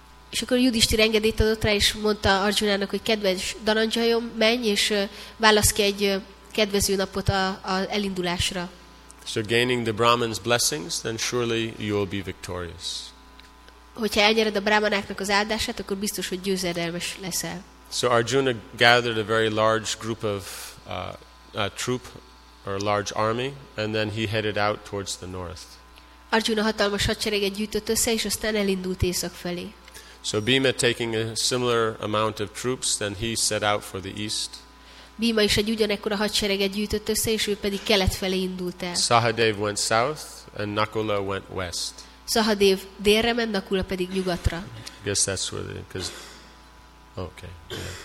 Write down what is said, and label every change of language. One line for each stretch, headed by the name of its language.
Hungarian: És akkor Yudhishthir engedélyt adott rá, és mondta Arjunának, hogy kedves Dhananjayom, menj és válasz ki egy kedvező napot a elindulásra.
English: So gaining the Brahman's blessings, then surely you will be victorious.
Hungarian: Hogyha elnyered a brahmanáknak az áldását, akkor biztos, hogy győzedelmes leszel.
English: So Arjuna gathered a very large group of troop or a large army, and then he headed out towards the north.
Hungarian: Arjuna hatalmas hadsereget gyűjtött össze, és aztán elindult észak felé.
English: So Bhima, taking a similar amount of troops, then he set out for the east.
Hungarian: Bhima is egy ugyanekkora hadsereget gyűjtött össze, és ő pedig kelet felé indult el.
English: Sahadev went south, and Nakula went west.
Hungarian: Sahadev délre ment, Nakula pedig nyugatra.
English: I guess that's where they, because, okay, yeah.